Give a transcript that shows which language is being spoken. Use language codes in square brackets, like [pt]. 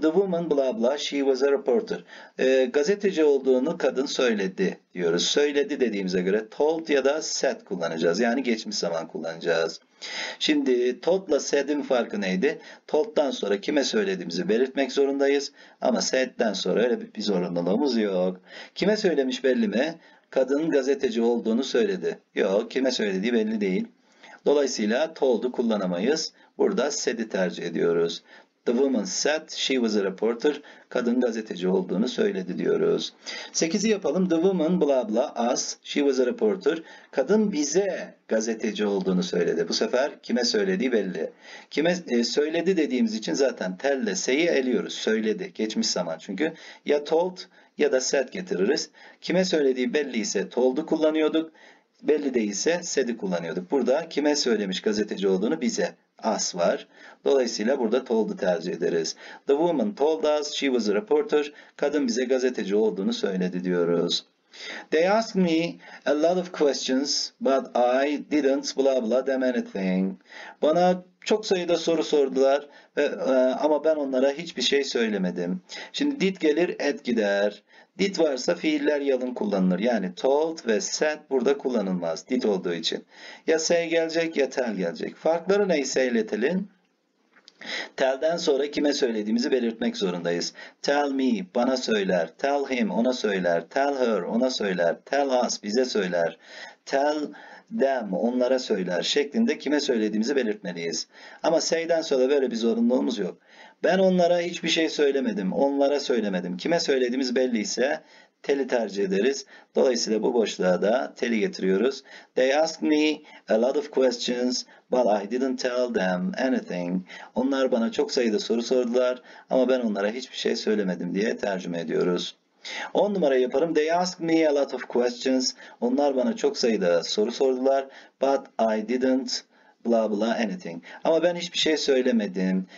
[en] The woman blah blah, she was a reporter. [tr] Gazeteci olduğunu kadın söyledi diyoruz. Söyledi dediğimize göre told ya da said kullanacağız. Yani geçmiş zaman kullanacağız. Şimdi told ile said'in farkı neydi? Told'dan sonra kime söylediğimizi belirtmek zorundayız. Ama said'den sonra öyle bir zorunluluğumuz yok. Kime söylemiş belli mi? Kadının gazeteci olduğunu söyledi. Yok, kime söylediği belli değil. Dolayısıyla told'u kullanamayız. Burada said'i tercih ediyoruz. [en] The woman said she was a reporter. [tr] Kadın gazeteci olduğunu söyledi diyoruz. 8'i yapalım. [en] The woman blah blah us, she was a reporter. [tr] Kadın bize gazeteci olduğunu söyledi. Bu sefer kime söylediği belli. Kime söyledi dediğimiz için zaten tell ile say'i eliyoruz. Söyledi. Geçmiş zaman çünkü. Ya told ya da said getiririz. Kime söylediği belli ise told'u kullanıyorduk. Belli değilse said'i kullanıyorduk. Burada kime söylemiş gazeteci olduğunu bize us var. Dolayısıyla burada told'u tercih ederiz. [en] The woman told us she was a reporter. [tr] Kadın bize gazeteci olduğunu söyledi diyoruz. [en] They asked me a lot of questions but I didn't blah blah them anything. [tr] Bana çok sayıda soru sordular ama ben onlara hiçbir şey söylemedim. Şimdi did gelir, at gider. Did varsa fiiller yalın kullanılır. Yani told ve said burada kullanılmaz. Did olduğu için. Ya say gelecek ya tell gelecek. Farkları ne say ile tell'in? Tell'den sonra kime söylediğimizi belirtmek zorundayız. [en] Tell me, [tr] bana söyler. [en] Tell him, [tr] ona söyler. [en] Tell her, [tr] ona söyler. [en] Tell us, [tr] bize söyler. [en] Tell them, [tr] onlara söyler şeklinde kime söylediğimizi belirtmeliyiz. Ama say'den sonra böyle bir zorunluluğumuz yok. Ben onlara hiçbir şey söylemedim, onlara söylemedim. Kime söylediğimiz belliyse tell'i tercih ederiz. Dolayısıyla bu boşluğa da tell'i getiriyoruz. [en] They asked me a lot of questions, but I didn't tell them anything. [tr] Onlar bana çok sayıda soru sordular ama ben onlara hiçbir şey söylemedim diye tercüme ediyoruz. 10 numara yaparım. [en] They asked me a lot of questions. [tr] Onlar bana çok sayıda soru sordular. [en] But I didn't blah blah anything. [tr] Ama ben hiçbir şey söylemedim.